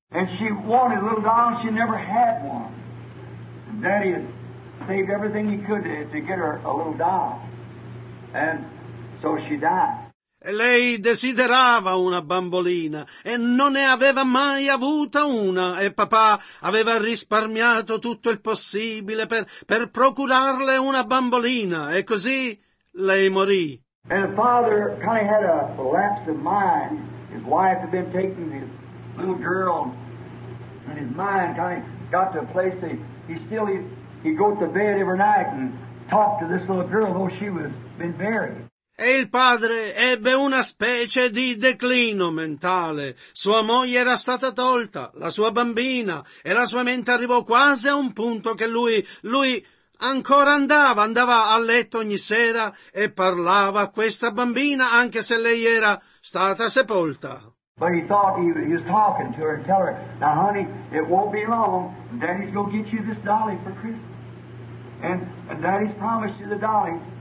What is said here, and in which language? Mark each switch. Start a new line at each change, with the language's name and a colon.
English: And she wanted a little doll, she never had one. And Daddy had saved everything he could to get her a little doll. And so she died.
Italian: E lei desiderava una bambolina e non ne aveva mai avuta una e papà aveva risparmiato tutto il possibile per procurarle una bambolina e così lei morì.
English: And the father kind of had a lapse of mind. His wife had been taking little girl, and his mind kind of got to a place that he'd go to bed every night and talk to this little girl, though she was been buried.
Italian: E il padre ebbe una specie di declino mentale. Sua moglie era stata tolta, la sua bambina, e la sua mente arrivò quasi a un punto che lui ancora andava a letto ogni sera e parlava a questa bambina anche se lei era stata sepolta.
English: But he thought he was talking to her and tell her, now honey, it won't be long, daddy's gonna get you this dolly for Christmas. And daddy's promised you the dolly.